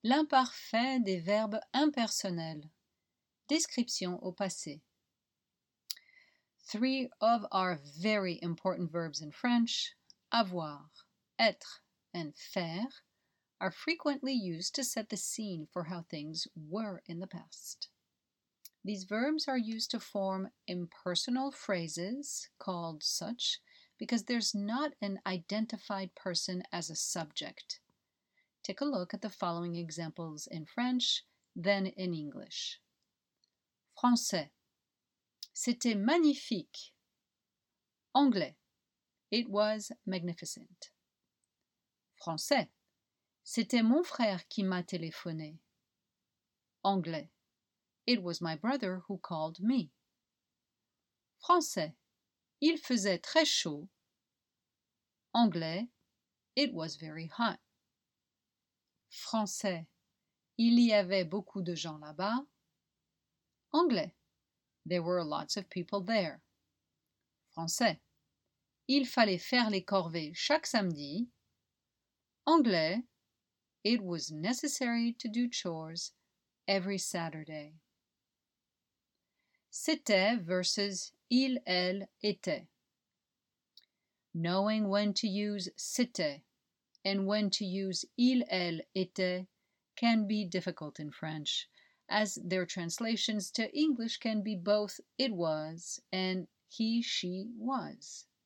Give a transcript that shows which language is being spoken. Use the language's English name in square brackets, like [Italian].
[French] L'imparfait des verbes impersonnels. Description au passé. [English] Three of our very important verbs in French, avoir, être, and faire, are frequently used to set the scene for how things were in the past. These verbs are used to form impersonal phrases called such because there's not an identified person as a subject. Take a look at the following examples in French, then in English. [French] Français. C'était magnifique. Anglais. [English] It was magnificent. Français. [French] C'était mon frère qui m'a téléphoné. Anglais. [English] It was my brother who called me. [French] Français. Il faisait très chaud. Anglais. [English] It was very hot. Français. [French] Il y avait beaucoup de gens là-bas. Anglais. [English] There were lots of people there. [French] Français. Il fallait faire les corvées chaque samedi. Anglais. [English] It was necessary to do chores every Saturday. [French] C'était versus il, elle, était. [English] Knowing when to use c'était and when to use il, elle, était can be difficult in French, as their translations to English can be both it was and he, she, was.